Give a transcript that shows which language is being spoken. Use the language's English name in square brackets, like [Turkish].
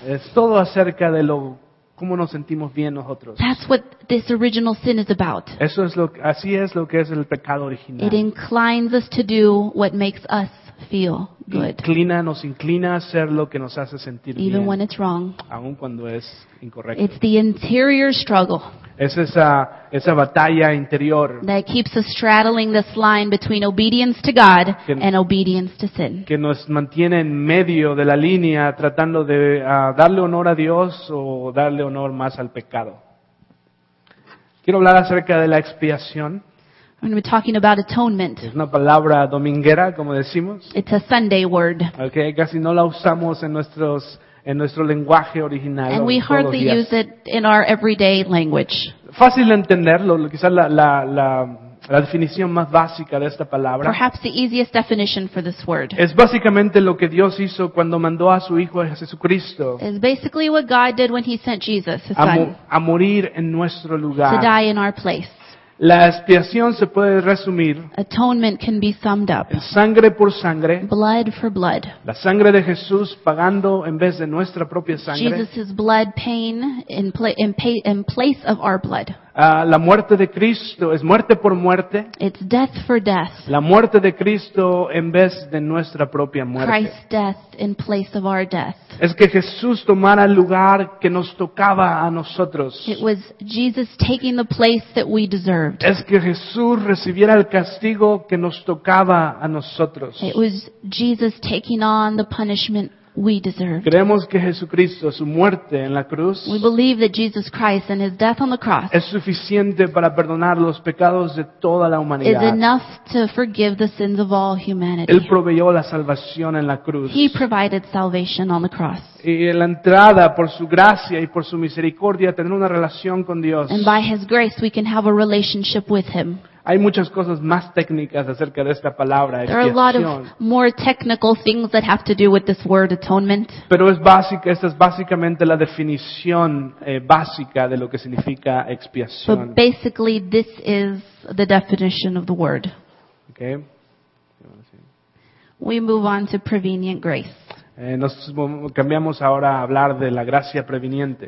[Spanish] Es todo acerca de cómo nos sentimos bien nosotros. [English] That's what this original sin is about. [Spanish] Así es lo que es el pecado original. [English] It inclines us to do what makes us feel good. [Spanish] Nos inclina a hacer lo que nos hace sentir [English] even [Spanish] bien. [English] When it's wrong. [Spanish] Aun cuando es incorrecto. [English] It's the interior struggle. [Spanish] Es esa batalla interior [English] that keeps us straddling this line between obedience to God and obedience to sin. [Spanish] Que nos mantiene en medio de la línea tratando de darle honor a Dios o darle honor más al pecado. Quiero hablar acerca de la expiación. [English] I'm going to be talking about atonement. [Spanish] Es una palabra dominguera, como decimos. [English] It's a Sunday word. [Spanish] Okay, casi no la usamos en nuestro lenguaje original. [English] And we hardly use it in our everyday language. [Spanish] Fácil entenderlo, quizás la definición más básica de esta palabra. [English] Perhaps the easiest definition for this word. [Spanish] Es básicamente lo que Dios hizo cuando mandó a su hijo Jesucristo. [English] It's basically what God did when he sent Jesus, his son. [Spanish] A morir en nuestro lugar. [English] To die in our place. [Spanish] La expiación se puede resumir. [English] Atonement can be summed up. [Spanish] Sangre por sangre. [English] Blood for blood. [Spanish] La sangre de Jesús pagando en vez de nuestra propia sangre. [English] Jesus' blood paying in place of our blood. [Spanish] La muerte de Cristo es muerte por muerte. [English] It's death for death. [Spanish] La muerte de Cristo en vez de nuestra propia muerte. [English] Christ's death in place of our death. [Spanish] Es que Jesús tomara el lugar que nos tocaba a nosotros. [English] It was Jesus taking the place that we deserved. [Spanish] Es que Jesús recibiera el castigo que nos tocaba a nosotros. [English] It was Jesus taking on the punishment we deserve. [Spanish] Creemos que Jesucristo, su muerte en la cruz, [English] we believe that Jesus Christ and his death on the cross [Spanish] es suficiente para perdonar los pecados de toda la humanidad. [English] Is enough to forgive the sins of all humanity. [Spanish] Él proveyó la salvación en la cruz. [English] He provided salvation on the cross. [Spanish] Y la entrada por su gracia y por su misericordia tener una relación con Dios. [English] And by his grace we can have a relationship with him. [Spanish] Hay muchas cosas más técnicas acerca de esta palabra, expiación. [English] There are a lot of more technical things that have to do with this word atonement. [Spanish] Pero esta es básicamente la definición básica de lo que significa expiación. [English] But basically this is the definition of the word. Okay. We move on to prevenient grace. [Spanish] Nos cambiamos ahora a hablar de la gracia preveniente.